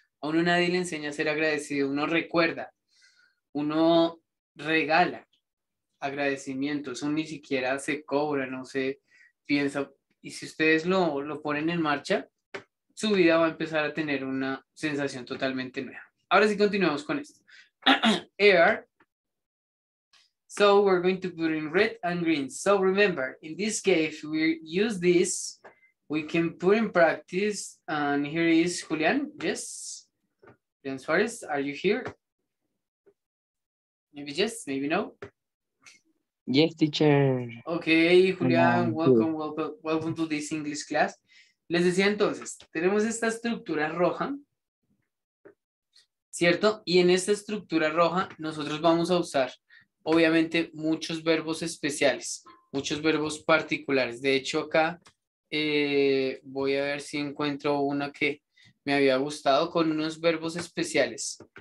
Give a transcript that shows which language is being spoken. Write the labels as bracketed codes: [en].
[es] A uno nadie le enseña a ser agradecido, uno recuerda, uno regala agradecimiento, eso ni siquiera se cobra, no se piensa. Y si ustedes lo ponen en marcha, su vida va a empezar a tener una sensación totalmente nueva. Ahora sí, continuemos con esto. [en] Air. So we're going to put in red and green. So remember, in this case, we use this, we can put in practice. And here is Julian. Yes. Julian Suarez, are you here? Maybe yes, maybe no. Yes, teacher. Okay, Julian, welcome, welcome, welcome to this English class. [es] Les decía entonces, tenemos esta estructura roja, ¿cierto? Y en esta estructura roja nosotros vamos a usar, obviamente, muchos verbos especiales, muchos verbos particulares. De hecho, acá voy a ver si encuentro una que me había gustado con unos verbos especiales.